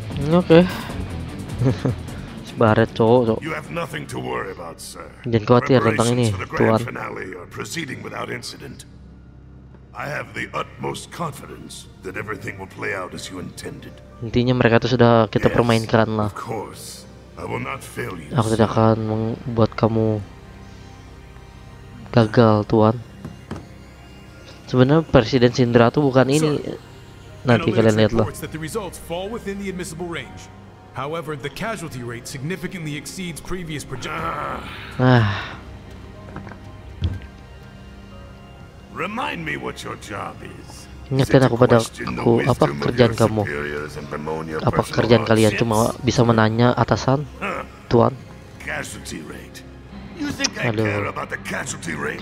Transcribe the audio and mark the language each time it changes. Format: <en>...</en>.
<id>Oke. Sebaret cowok, cowok.</id> <en>You have nothing to worry about, sir.</en> <id>Jangan khawatir tentang ini, tuan.</id> <en>Finale are proceeding without incident. I have the utmost confidence that everything will play out as you intended.</en> <id>Intinya mereka itu sudah kita permainkan lah.</id> <en>Of course, I will not fail you.</en> <id>Aku tidak akan membuat kamu gagal, tuan. Sebenarnya Presiden Syndra itu bukan ini. Nanti kalian lihat lah.</id> <en>That the results fall within the admissible range. However, the casualty rate significantly exceeds previous projections. Ah. Remind me what your job is.</en> <id>Ingatkan aku pada aku apa kerjaan kamu? Apa kerjaan kalian cuma bisa menanya atasan, tuan?</id> <en>Casualty rate. You think I care about the casualty rate?</en>